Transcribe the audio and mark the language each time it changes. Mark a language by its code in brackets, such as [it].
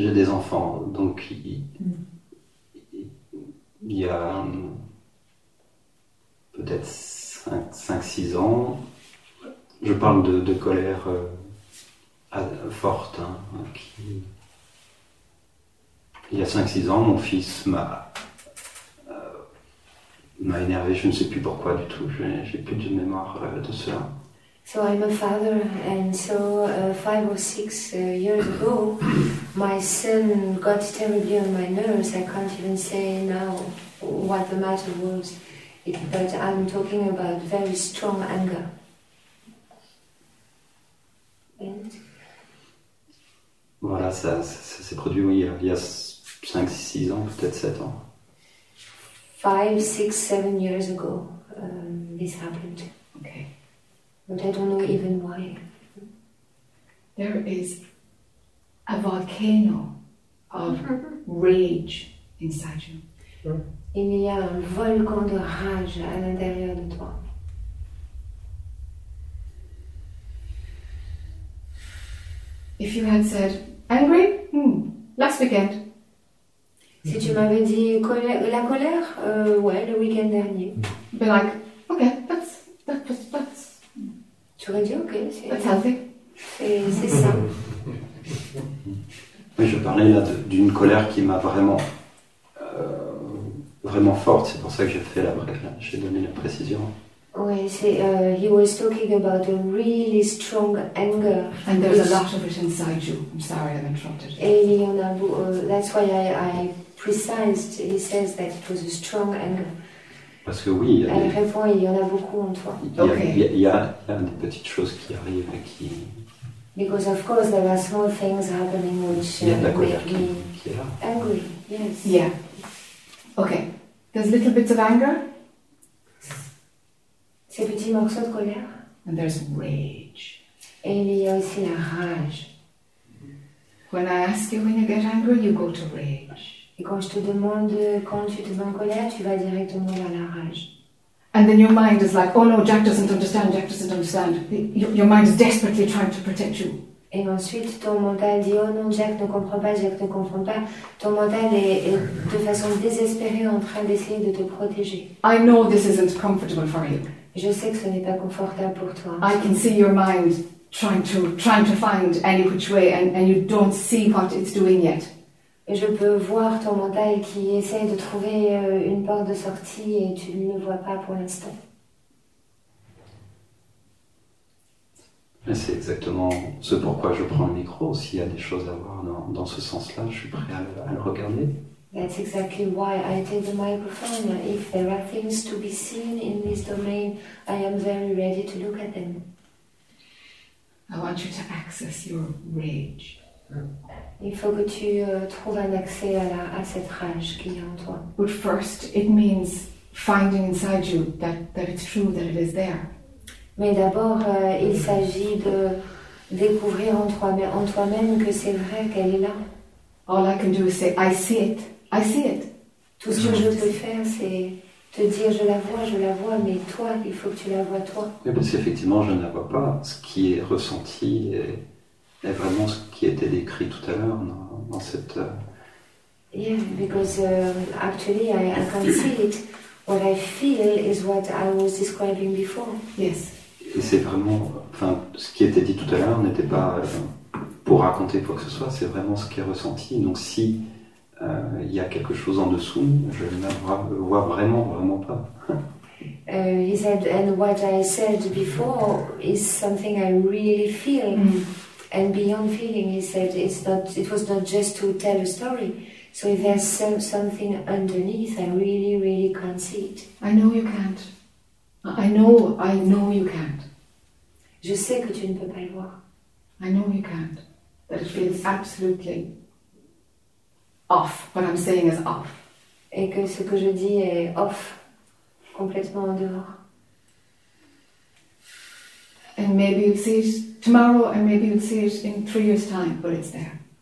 [fr] j'ai des enfants, donc il y a peut-être 5-6 ans, je parle de colère forte. Hein, qui... Il y a 5-6 ans, mon fils m'a énervé, je ne sais plus pourquoi du tout, j'ai plus de mémoire de cela. [en] So I'm a father, and so 5 or 6 years ago, my son got terribly on my nerves. I can't even say now what the matter was, but I'm talking about very strong anger. And [fr] voilà, ça s'est produit il y a 5-6 ans, peut-être 7 ans. [en] 5, 6, 7 years ago, this happened. Okay. But I don't know even why. There is a volcano of rage inside you. [fr] Il y a un volcan de rage à l'intérieur de toi. [en] If you had said, angry? Last weekend. [fr] Si tu m'avais dit la colère, ouais, le week-end dernier. [en] Be like, okay, that's. [fr] Tu aurais dit ok, c'est ça. Oui, je parlais là d'une colère qui m'a vraiment, vraiment forte. C'est pour ça que j'ai donné la précision. Oui, c'est. [en] He was talking about a really strong anger. And there's a lot of it inside you. I'm sorry, I've interrupted. [fr] Et il y en a beaucoup. [en] That's why I precised. He says that it was a strong anger. [fr] Parce que oui, il y en a beaucoup en toi. Il y a des petites choses qui arrivent et qui. [en] Because of course there are small things happening which make me angry. Yes. Yeah. Okay. There's little bits of anger. [fr] Ces petits morceaux de colère. [en] And there's rage. [fr] Et il y a aussi la rage. [en] When I ask you when you get angry, you go to rage. [fr] Et quand je te demande quand tu te sens en colère, tu vas directement vers la rage. [en] And then your mind is like, oh no, Jack doesn't understand. Your mind is desperately trying to protect you. [fr] Et ensuite, ton mental dit, oh non, Jack ne comprend pas. Ton mental est de façon désespérée en train d'essayer de te protéger. [en] I know this isn't comfortable for you. [fr] Je sais que ce n'est pas confortable pour toi. [en] I can see your mind trying to find any which way, and you don't see what it's doing yet. [fr] Et je peux voir ton mental qui essaie de trouver une porte de sortie et tu ne le vois pas pour l'instant. C'est exactement ce pourquoi je prends le micro. S'il y a des choses à voir dans ce sens-là, je suis prêt à le regarder. [en] That's exactly why I take the microphone. If there are things to be seen in this domain, I am very ready to look at them. I want you to access your rage. [fr] Il faut que tu trouves un accès à cette rage qu'il y a en toi. [en] But first, it means finding inside you that it's true, that it is there. [fr] Mais d'abord, il s'agit de découvrir en toi-même que c'est vrai, qu'elle est là. [en] All I can do is say, I see it. [fr] Tout ce que je peux faire, c'est te dire, je la vois, mais toi, il faut que tu la vois, toi. Oui, parce qu'effectivement, je ne la vois pas. Ce qui est ressenti est vraiment ce qui était décrit tout à l'heure dans cette. [en] Yeah, because actually I can't see it. What I feel is what I was describing before. Yes. [fr] Et c'est vraiment. Enfin, ce qui était dit tout à l'heure n'était pas pour raconter quoi que ce soit, c'est vraiment ce qui est ressenti. Donc si il y a quelque chose en dessous, je ne la vois vraiment, vraiment pas. [en] He said, and what I said before is something I really feel. And beyond feeling, he said, it was not just to tell a story. So if there's something underneath, I really, really can't see it. I know you can't. I know you can't. [fr] Je sais que tu ne peux pas le voir. [en] I know you can't. That it feels absolutely off. What I'm saying is off. [fr] Et que ce que je dis est off, complètement en dehors. [en] And maybe you'll see it tomorrow, and maybe you'll see it in 3 years' time, but it's there.